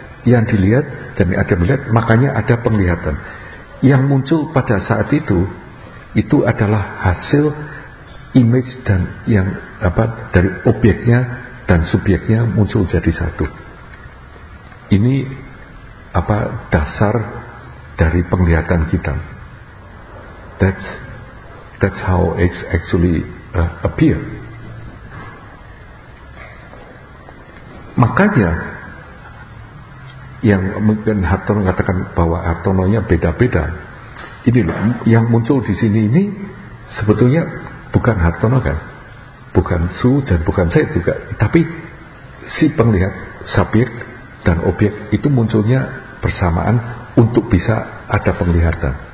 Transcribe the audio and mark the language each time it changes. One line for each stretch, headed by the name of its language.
Indonesian: Yang dilihat dan ada melihat, makanya ada penglihatan. Yang muncul pada saat itu adalah hasil image dan yang apa dari objeknya dan subjeknya muncul jadi satu. Ini apa dasar dari penglihatan kita.
English: That's how it actually appear.
Indonesian: Makanya yang mungkin Hartono mengatakan bahwa Hartononya beda-beda. Ini loh, yang muncul di sini ini sebetulnya bukan Hartono kan, bukan Su dan bukan saya juga, tapi si penglihat, subjek dan objek itu munculnya bersamaan untuk bisa ada penglihatan.